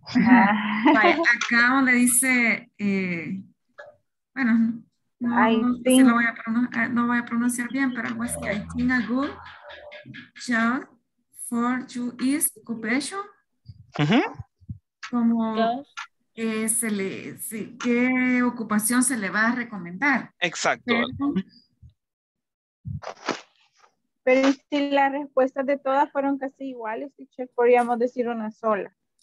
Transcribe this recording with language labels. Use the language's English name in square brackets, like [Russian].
[Spanish] Acá donde dice, no voy a pronunciar bien, pero algo así. [English] I think a good job for you is occupation. [Spanish] Como ¿qué ocupación se le va a recomendar? Exacto. Pero si las respuestas de todas fueron casi iguales, podríamos decir una sola.